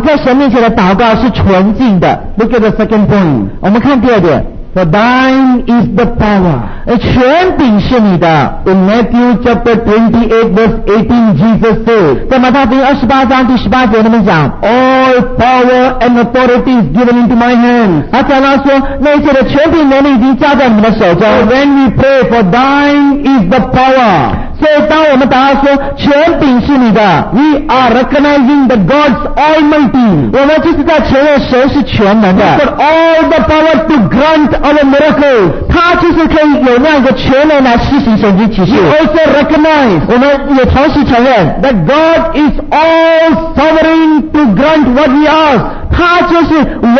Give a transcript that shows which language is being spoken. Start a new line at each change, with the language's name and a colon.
Chinese: 这样子的话你在神面前的祷告是纯净的。
English: Look at the second point，
Chinese: 我们看第二点。
English: For thine is the power，
Chinese: 权柄是你的。
English: In Matthew chapter 28 verse 18 Jesus said，
Chinese: 在马太福音28章第18节那么讲，
English: All power and authority is given into my hands，
Chinese: 他讲到说， 那些的权柄能力已经交在你们的手中。
English: When we pray for thine is the power，
Chinese: 所以当我们答案说， 权柄是你的，
English: We are recognizing that God's almighty，
Chinese: 我们就是在承认神是全能的。
English: He's got all the power to grant our miracles，
Chinese: 他就是可以有那样一个权能来施行神迹奇事。
English: We also recognize，
Chinese: 我们也同时承认，
English: That God is all sovereign to grant what we ask，